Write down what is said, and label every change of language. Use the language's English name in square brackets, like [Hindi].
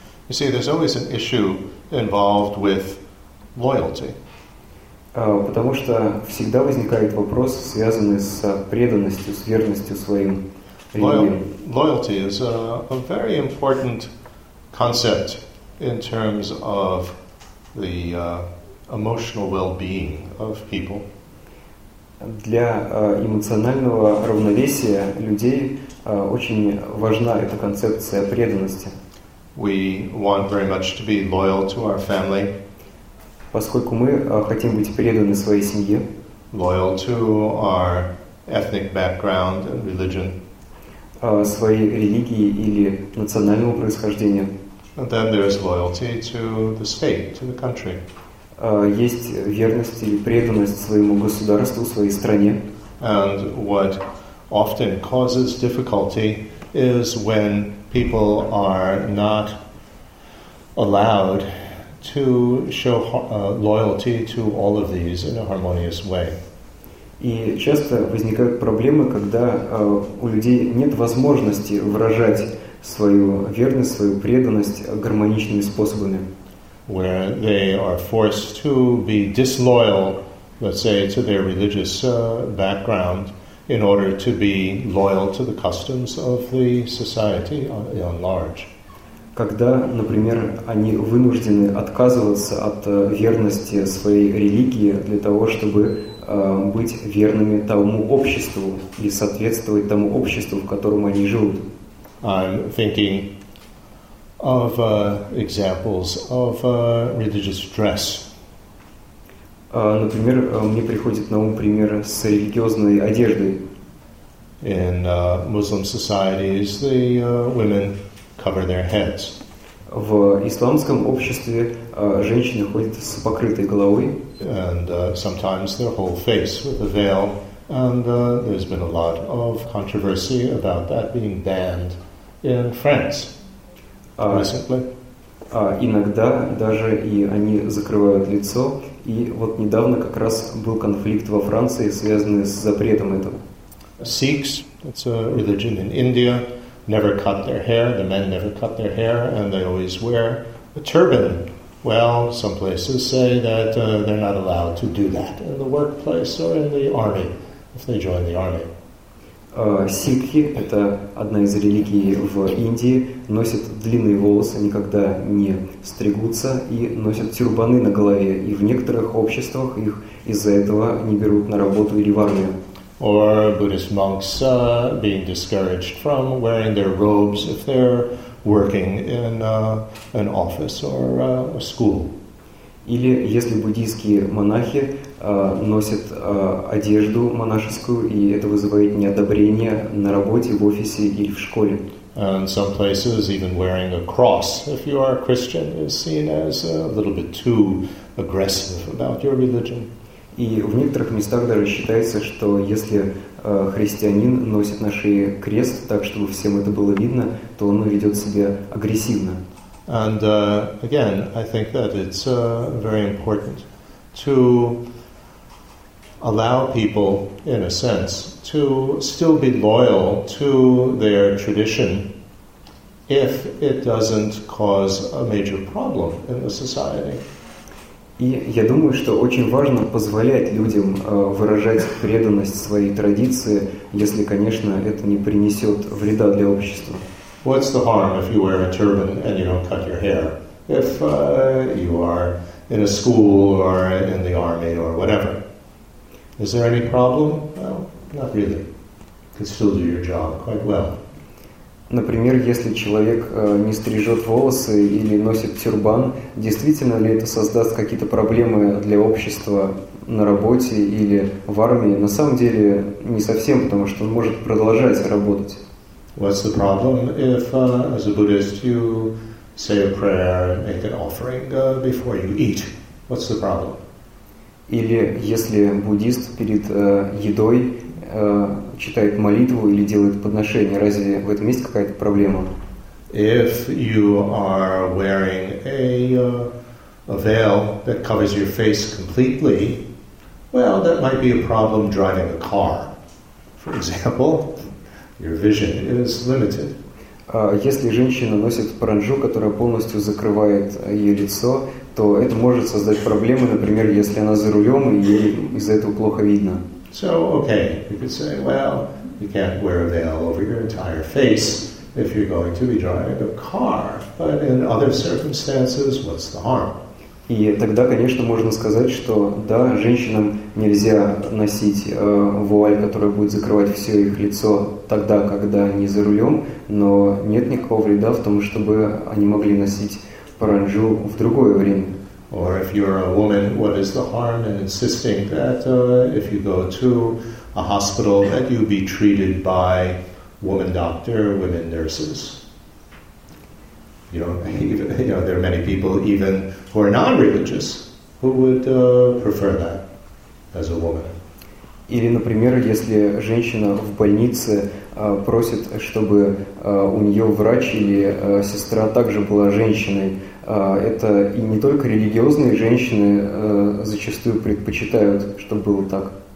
[English] You see, there's always an issue involved with loyalty. [Russian] Потому что всегда возникает вопрос, связанный с преданностью, с верностью своим религиям. [English] Loyalty is a very important concept in terms of the emotional well-being of people. [Russian] Для эмоционального равновесия людей очень важна эта концепция преданности. [English] We want very much to be loyal to our family. [Russian] Поскольку мы хотим быть преданы своей семье. [English] Loyal to our ethnic background and religion. [Russian] Своей религии или национальному происхождению. [English] And then there is loyalty to the state, to the country. [Russian] Есть верность или преданность своему государству, своей стране. [English] And what often causes difficulty is when people are not allowed to show loyalty to all of these in a harmonious way. [Russian] И часто возникают проблемы, когда у людей нет возможности выражать свою верность, свою преданность гармоничными способами. [English] Where they are forced to be disloyal, let's say, to their religious background in order to be loyal to the customs of the society on large. [Russian] Когда, например, они вынуждены отказываться от верности своей религии для того, чтобы быть верными тому обществу и соответствовать тому обществу, в котором они живут. [English] I'm thinking of examples of religious dress. [Russian] Например, мне приходит на ум пример с религиозной одеждой. [English] In Muslim societies, the women cover their heads. [Russian] В исламском обществе женщины ходят с покрытой головой. [English] And sometimes their whole face with a veil. And there's been a lot of controversy about that being banned in France. recently. [Russian] Иногда даже и они закрывают лицо. И вот недавно как раз был конфликт во Франции, связанный с запретом этого. [English] Sikhs, it's a religion in India, never cut their hair. The men never cut their hair, and they always wear a turban. Well, some places say that they're not allowed to do that in the workplace or in the army, if they join the army. [Russian] Сикхи – это одна из религий в Индии, носят длинные волосы, никогда не стригутся, и носят тюрбаны на голове, и в некоторых обществах их из-за этого не берут на работу или в армию. [English] Or Buddhist monks being discouraged from wearing their robes if they're working in an office or a school. [Russian] Или если буддийские монахи носят одежду монашескую, и это вызывает неодобрение на работе, в офисе или в школе. [English] And some places even wearing a cross, if you are a Christian, is seen as a little bit too aggressive about your religion. [Russian] И в некоторых местах даже считается, что если христианин носит на шее крест, так чтобы всем это было видно, то он ведет себя агрессивно. [English] And again, I think that it's very important to allow people, in a sense, to still be loyal to their tradition if it doesn't cause a major problem in the society. [Russian] И я думаю, что очень важно позволять людям выражать преданность своей традиции, если, конечно, это не принесет вреда для общества. [English] What's the harm if you wear a turban and you don't cut your hair? If you are in a school or in the army or whatever. Is there any problem? Well, not really. You can still do your job quite well. [Russian] Например, если человек не стрижет волосы или носит тюрбан, действительно ли это создаст какие-то проблемы для общества на работе или в армии? На самом деле, не совсем, потому что он может продолжать работать. [English] What's the problem if, as a Buddhist, you say a prayer and make an offering before you eat? What's the problem? [Russian] Или если буддист перед едой читает молитву или делает подношение. Разве в этом есть какая-то проблема? [English] If you are wearing a veil that covers your face completely, well, that might be a problem driving a car. For example, your vision is limited. [Russian] Если женщина носит паранджу, которая полностью закрывает ее лицо, то это может создать проблемы, например, если она за рулем, и ей из-за этого плохо видно. [English] So, okay, you could say, well, you can't wear a veil over your entire face if you're going to be driving a car. But in other circumstances, what's the harm? [Russian] И тогда, конечно, можно сказать, что да, женщинам нельзя носить вуаль, которая будет закрывать все их лицо тогда, когда они за рулем, но нет никакого вреда в том, чтобы они могли носить паранджу в другое время. [English] Or if you're a woman, what is the harm in insisting that if you go to a hospital that you be treated by woman doctor, women nurses? You know, even, you know, there are many people even who are non-religious who would prefer that as a woman. [Russian] Или, например, если женщина в больнице просит, чтобы у нее врач или сестра также была женщиной, это и не только религиозные женщины зачастую предпочитают, чтобы было так.